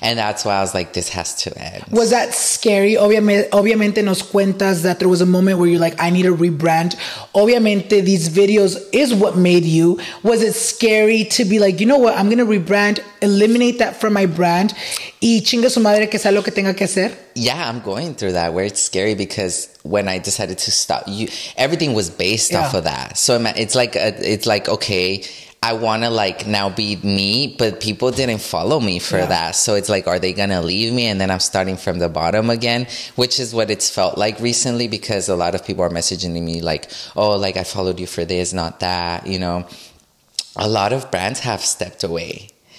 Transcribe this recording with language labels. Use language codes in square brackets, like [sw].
[en] And that's why I was like, this has to end. Was that scary? [es] Obviamente nos cuentas [en] that there was a moment where you're like, I need a rebrand. Obviamente, these videos is what made you. Was it scary to be like, you know what? I'm going to rebrand, eliminate that from my brand. [es] Y chinga su madre que sea lo que tenga que hacer. [en] Yeah, I'm going through that where it's scary because when I decided to stop, everything was based off of that. So it's like, okay, I want to like now be me, but people didn't follow me for that. So it's like, are they going to leave me? And then I'm starting from the bottom again, which is what it's felt like recently, because a lot of people are messaging me like, oh, like I followed you for this, not that, you know, a lot of brands have stepped away.